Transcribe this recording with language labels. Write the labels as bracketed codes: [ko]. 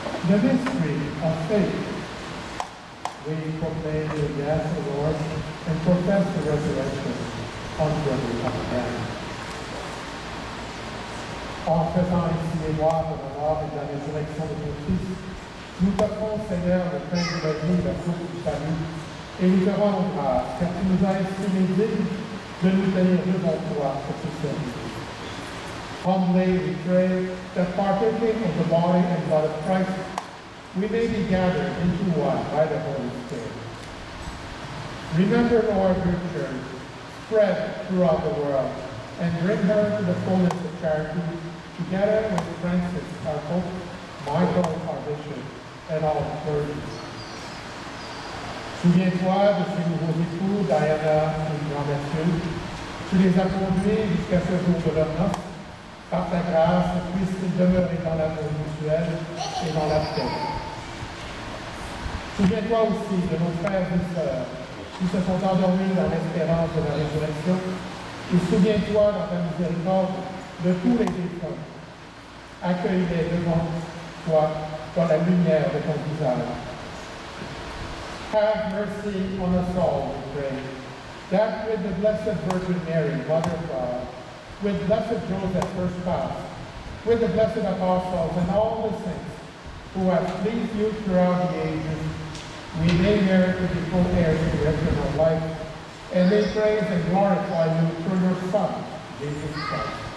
[en] The mystery of faith. We proclaim the death of the Lord and profess the resurrection until we come again. [fr] Offre par ici les bois de la mort et de la résurrection de ton Fils, nous t'offrons, Seigneur, le pain de la vie, la source du salut, et nous te rendons grâce, car tu nous as estimé dignes de nous tenir devant toi pour ce service. [en] Humbly, we pray that partaking of the body and blood of Christ, we may be gathered into one by the Holy Spirit. Remember, Lord, your church, spread throughout the world, and bring her to the fullness of charity, together with Francis, our Pope, Michael, our Bishop, and all the clergy. [fr] Souviens-toi de ces nouveaux époux, Diana et Grand Mathieu. Tu les as conduits jusqu'à ce jour de leur noce. Par ta grâce, puissent-ils demeurer dans l'amour mutuel et dans la paix. Souviens-toi aussi de nos frères et sœurs qui se sont endormis dans l'espérance de la résurrection. Et souviens-toi dans ta miséricorde de tous les défunts. Accueille-les devant toi dans la lumière de ton visage. [en] Have mercy on us all, we pray, that with the Blessed Virgin Mary, Mother of God, with Blessed Joseph, her spouse, with the Blessed Apostles and all the saints who have pleased you throughout the ages, we may merit to be co-heirs to eternal life, and may praise and glorify you through your Son, Jesus Christ.